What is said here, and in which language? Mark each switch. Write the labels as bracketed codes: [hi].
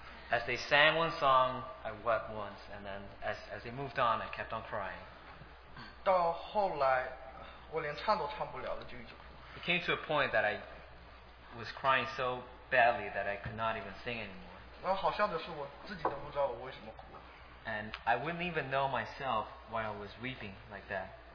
[en] as they sang one song, I wept once, and then as they moved on, I kept on crying. [zh] 到后来, 我连唱都唱不了了, [en] it came to a point that I was crying so badly that I could not even sing anymore. [zh] 然后好笑的是我自己都不知道我为什么哭, [en] and I wouldn't even know myself why I was weeping like that.